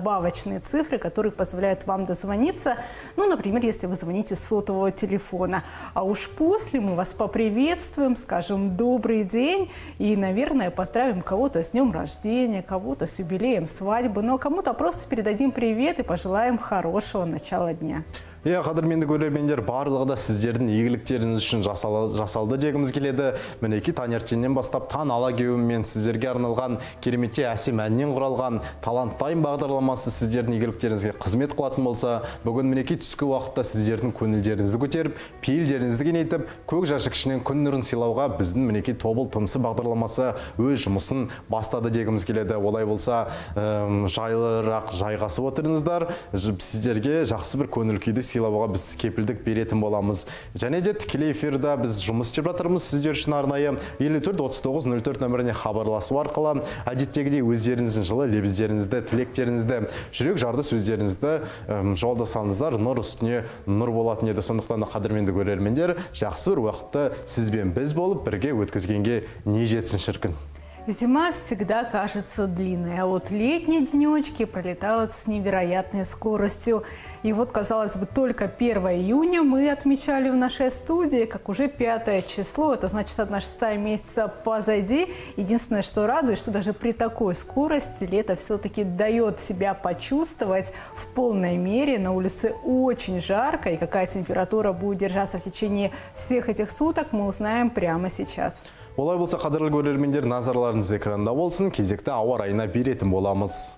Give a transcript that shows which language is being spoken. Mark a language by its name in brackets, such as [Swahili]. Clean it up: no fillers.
[Russian] Добавочные цифры, которые позволяют вам дозвониться, ну, например, если вы звоните с сотового телефона. А уж после мы вас поприветствуем, скажем «добрый день» и, наверное, поздравим кого-то с днем рождения, кого-то с юбилеем свадьбы, но кому-то просто передадим привет и пожелаем хорошего начала дня. [Kazakh] Иә, қадірменді көрермендер, барлығы да сіздердің игіліктеріңіз үшін жасалды дегіміз келеді. Мінекей таңертеңнен бастап тан ала кеуім мен сіздерге арналған кереметте әсем әннен құралған «Талант Тайм» бағдарламасы сіздердің игіліктеріңізге қызмет қылатын болса, бүгін мінекей түскі уақытта сіздердің көңілдеріңізді көтеріп, пейілдеріңізді кеңейтіп, көк жәшік ішінен күн нұрын сыйлауға біздің мінекей «Тобыл тынысы» бағдарламасы өз жұмысын бастады дегіміз келеді. Олай болса, жайлырақ жайғасып отырыңыздар, сіздерге жақсы бір көңіл күйді сыйлауға біз кепілдік беретін боламыз. Және де тікелей эфирде біз жұмыс істеп жатырмыз сіздер үшін арнайы 54-39-04 нөміріне хабарласу арқылы. Әдеттегідей өздеріңіздің жылы лебіздеріңізді, тілектеріңізді, жүрек жарды сөздеріңізді жолдасаңыздар, нұр үстіне нұр болатын еді. Сондықтан да қадірменді көрермендер, жақсы бір уақытты сізбен біз болып бірге өткізгенге не жетсін шіркін. [Russian] Зима всегда кажется длинной, а вот летние денечки пролетают с невероятной скоростью. И вот, казалось бы, только 1 июня мы отмечали в нашей студии, как уже 5 число, это значит, одна шестая месяца позади. Единственное, что радует, что даже при такой скорости лето все-таки дает себя почувствовать в полной мере. На улице очень жарко, и какая температура будет держаться в течение всех этих суток, мы узнаем прямо сейчас. [Kazakh] Олай болса, қадірлі көрермендер, назарларыңыз экранда болсын, кезекті ауа райына беретін боламыз.